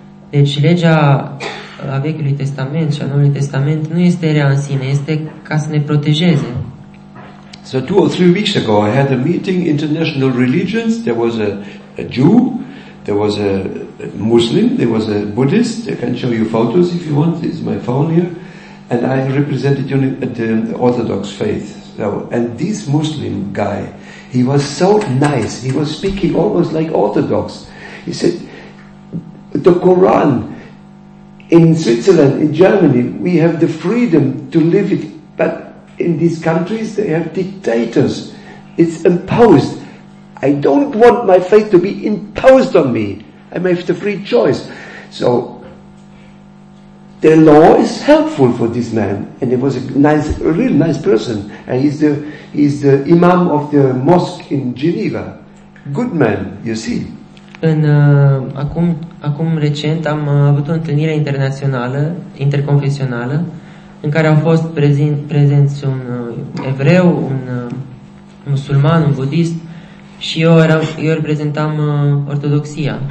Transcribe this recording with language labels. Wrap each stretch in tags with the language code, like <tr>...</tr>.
<ro>Deci legea a Vechiului Testament și a Noului Testament nu este rea în sine, este ca să ne protejeze.</ro> <en>So 2 or 3 weeks ago, I had a meeting, international religions. There was a Jew, there was a Muslim, there was a Buddhist. I can show you photos if you want. It's my phone here. And I represented the Orthodox faith. So, and this Muslim guy, he was so nice. He was speaking almost like Orthodox. He said, the Quran in Switzerland, in Germany, we have the freedom to live it, but in these countries, they have dictators. It's imposed. I don't want my faith to be imposed on me. I have the free choice. So, the law is helpful for this man. And he was a really nice person. And he's the imam of the mosque in Geneva. Good man, you see.</en> <ro>Acum recent am avut o întâlnire internațională, interconfesională, în care au fost prezenți un evreu, un musulman, un budist, și eu reprezentam ortodoxia.</ro>